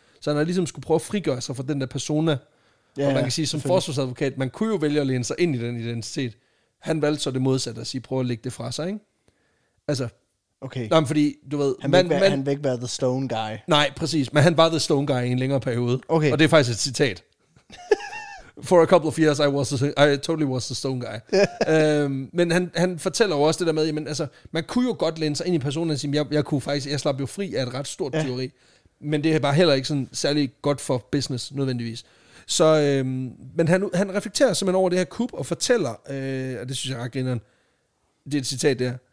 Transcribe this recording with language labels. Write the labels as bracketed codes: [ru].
[da] Så han har ligesom skulle prøve at frigøre sig fra den der persona. Ja, og man kan sige, som forsvarsadvokat, man kunne jo vælge at læne sig ind i den identitet. Han valgte så det modsatte at sige, prøv at lægge det fra sig, ikke? Altså... Okay. Nej, fordi du ved, han vil ikke være [en] the stone guy. [da] Nej, præcis, men han var [en] the stone guy [da] i en længere periode. Okay. Og det er faktisk et citat. [en] For a couple of years I totally was the stone guy. [da] men han fortæller jo også det der med, men altså man kunne jo godt læne sig ind i personen og sige, jeg slap jo fri af et ret stort teori. Men det er bare heller ikke sådan særlig godt for business nødvendigvis. Så men han reflekterer simpelthen over det her kup og fortæller, og det synes jeg er grineren. Det er et citat der.